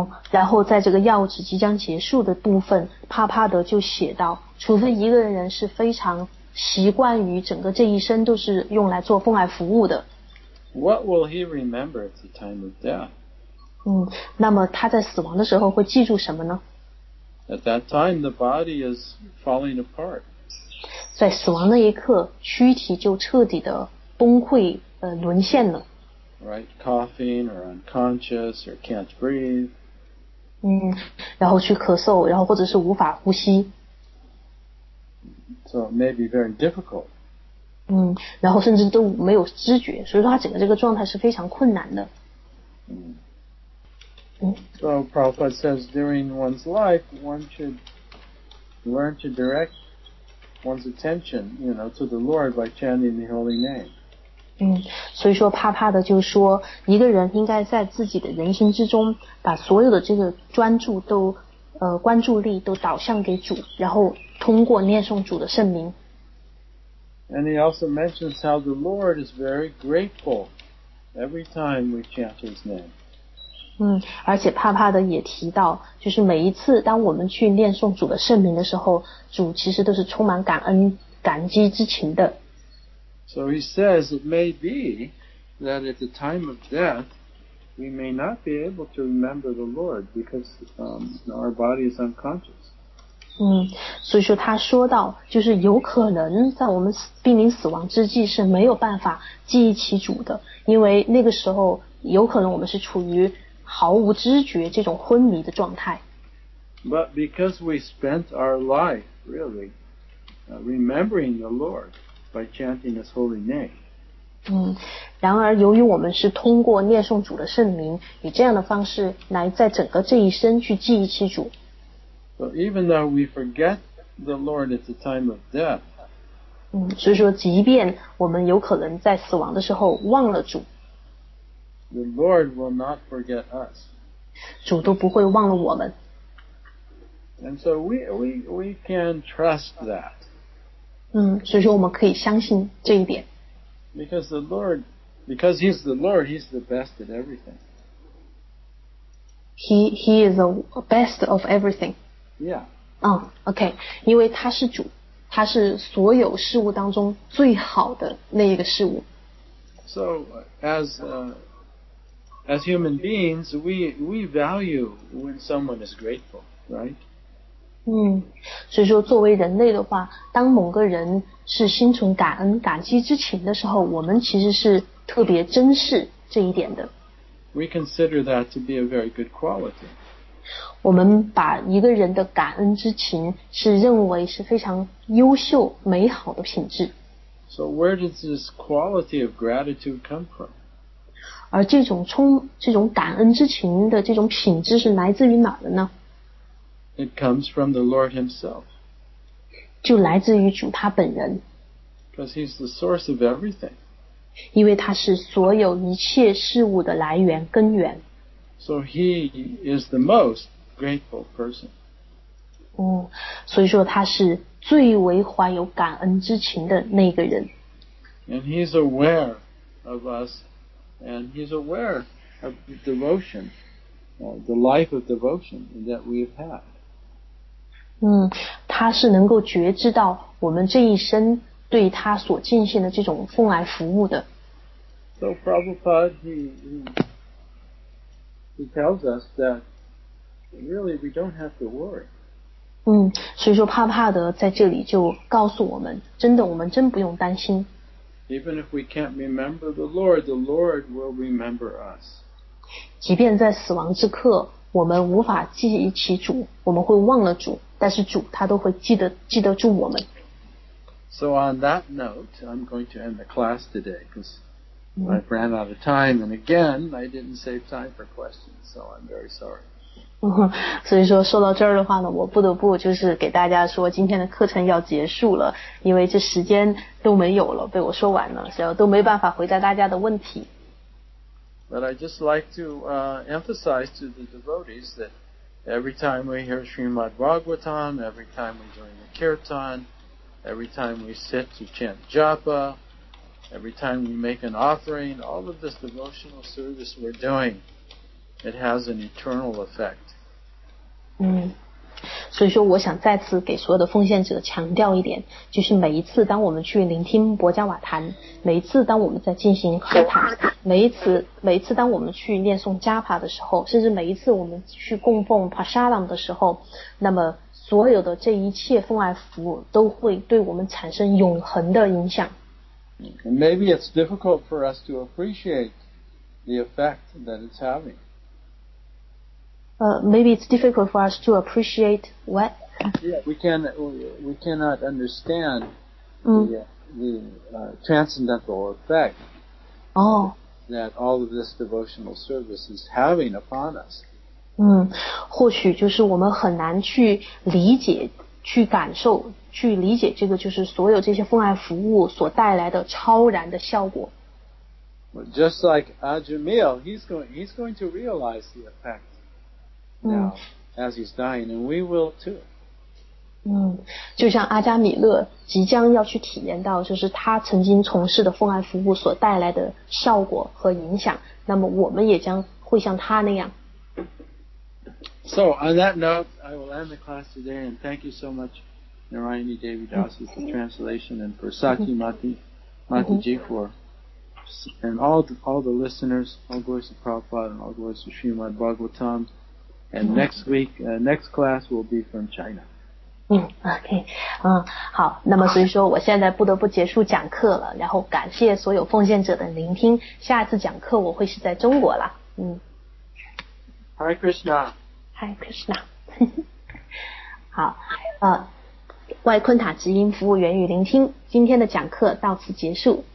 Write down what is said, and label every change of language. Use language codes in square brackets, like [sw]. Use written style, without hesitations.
[zh] 然后在这个要旨即将结束的部分，帕帕德就写到，除非一个人是非常习惯于整个这一生都是用来做奉爱服务的。 [en] What will he remember at the time of death? [zh] 那么他在死亡的时候会记住什么呢？ [en] At that time, the body is falling apart. [zh] 在死亡那一刻，躯体就彻底的崩溃，沦陷了。 [en] Right, coughing or unconscious or can't breathe. [zh] 然后去咳嗽，然后或者是无法呼吸。 [en] So it may be very difficult. [zh] 然后甚至都没有知觉，所以说他整个这个状态是非常困难的。 [en] So Prabhupada says during one's life, one should learn to direct one's attention, you know, to the Lord by chanting the holy name. [zh] 所以说怕怕的就说一个人应该在自己的人心之中把所有的这个专注都关注力都导向给主，然后通过念诵主的圣名。 [en] And he also mentions how the Lord is very grateful every time we chant his name. [zh] 而且怕怕的也提到，就是每一次当我们去念诵主的圣名的时候，主其实都是充满感恩感激之情的。 [en] So he says it may be that at the time of death, we may not be able to remember the Lord because our body is unconscious. [zh] 所以说他说到，就是有可能在我们濒临死亡之际是没有办法记忆起主的，因为那个时候有可能我们是处于毫无知觉这种昏迷的状态。 [en] But because we spent our life really remembering the Lord. By chanting his holy name. [zh] 然而由于我们是通过念诵主的圣名，以这样的方式来在整个这一生去记忆起主。 [en] So even though we forget the Lord at the time of death. [zh] 所以说即便我们有可能在死亡的时候忘了主。 [en] The Lord will not forget us. [zh] 主都不会忘了我们。 [en] And so we can trust that. [zh] 所以说我们可以相信这一点。 [en] Because the Lord, because He's the Lord, He's the best at everything. He is the best of everything. Yeah. Oh, okay. [zh] 因为他是主，他是所有事物当中最好的那一个事物。 [en] So, as human beings, we value when someone is grateful, right? [zh] 嗯，所以说作为人类的话，当某个人是心存感恩、感激之情的时候，我们其实是特别珍视这一点的。 [en] We consider that to be a very good quality. [zh] 我们把一个人的感恩之情是认为是非常优秀、美好的品质。 [en] So where does this quality of gratitude come from? [zh] 而这种感恩之情的这种品质是来自于哪的呢？ [en] It comes from the Lord Himself. [zh] 就来自于主他本人。 [en] Because He's the source of everything. [zh] 因为他是所有一切事物的来源根源。 [en] So He is the most grateful person. [zh] 所以说他是最为怀有感恩之情的那个人。 [en] And He's aware of us, and He's aware of devotion, the life of devotion that we've had. [zh] 他是能够觉知到我们这一生对他所进献的这种奉爱服务的。 [en] So Prabhupada, he tells us that really we don't have to worry. [zh] 所以说帕帕德在这里就告诉我们，真的我们真不用担心。 [en] Even if we can't remember the Lord will remember us. [zh] 即便在死亡之刻，我们无法记起主，我们会忘了主。但是主他都会记得住我们。 [en] So on that note, I'm going to end the class today because I've ran out of time, and again, I didn't save time for questions, so I'm very sorry. [zh] 所以说说到这儿的话呢，我不得不就是给大家说，今天的课程要结束了，因为这时间都没有了，被我说完了，所以都没办法回答大家的问题。 [en] But I just like to emphasize to the devotees that. Every time we hear Srimad Bhagavatam, every time we join the kirtan, every time we sit to chant japa, every time we make an offering, all of this devotional service we're doing, it has an eternal effect. [zh] 所以说我想再次给所有的奉献者强调一点，就是每一次当我们去聆听薄伽瓦坛，每一次当我们在进行哈塔，每一次当我们去念诵加帕的时候，甚至每一次我们去供奉帕沙朗的时候，那么所有的这一切奉爱服务都会对我们产生永恒的影响。 [en] Maybe it's difficult for us to appreciate the effect that it's having Maybe it's difficult for us to appreciate what? Yeah, we cannot understand the transcendental effect that all of this devotional service is having upon us. [zh] 或许就是我们很难去理解、去感受、去理解这个就是所有这些奉爱服务所带来的超然的效果。 [en] Well, just like Ajamil, he's going to realize the effect. Now, as he's dying, and we will too. [zh] 就像阿加米勒即将要去体验到，就是他曾经从事的奉爱服务所带来的效果和影响，那么我们也将会像他那样。 [en] So, on that note, I will end the class today, and thank you so much, Narayani Devi Dasi, for translation, and for Sati Mataji for, and all the listeners, all glories to Prabhupada, and all glories to Srimad Bhagavatam. And next week, next class will be from China. Okay. [zh] 好，那么所以说我现在不得不结束讲课了，然后感谢所有奉献者的聆听，下次讲课我会是在中国了。 [sa] Hare Krishna. Hare Krishna. [zh] 好，外昆塔直音服务源于聆听，今天的讲课到此结束。